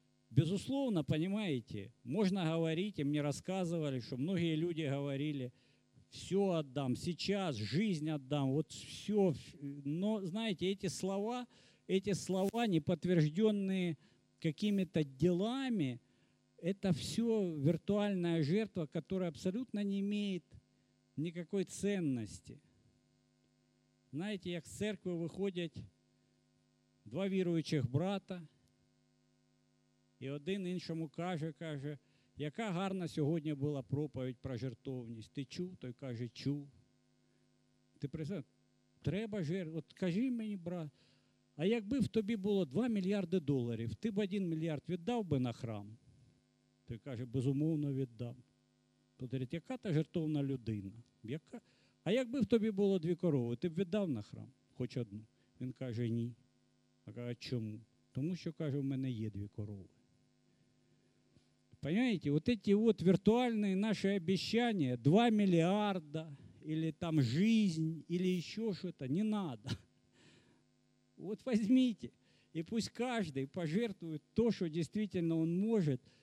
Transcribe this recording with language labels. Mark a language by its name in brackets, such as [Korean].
[Russian] Безусловно, понимаете, можно говорить, и мне рассказывали, что многие люди говорили, все отдам, сейчас жизнь отдам, вот все. Но, знаете, эти слова, неподтвержденные какими-то делами, это все виртуальная жертва, которая абсолютно не имеет никакой ценности. Знаете, как в церкви выходят два верующих брата, и [Ukrainian] один іншому каже, яка гарна сьогодні була проповідь про жертовність. Ти чув? Той каже, чув. Ти представляєш, треба жертву. От кажи мені, брат, а якби в тобі було 2 мільярди доларів, ти б 1 мільярд віддав би на храм? Той каже, безумовно віддав. Той каже, яка та жертовна людина? Яка? А якби в тобі було 2 корови, ти б віддав на храм хоч одну? Він каже, ні. А каже, чому? Тому що, каже, в мене є 2 корови. [Russian] Понимаете, вот эти вот виртуальные наши обещания, 2 миллиарда, или там жизнь, или еще что-то, не надо. Вот возьмите, и пусть каждый пожертвует то, что действительно он может.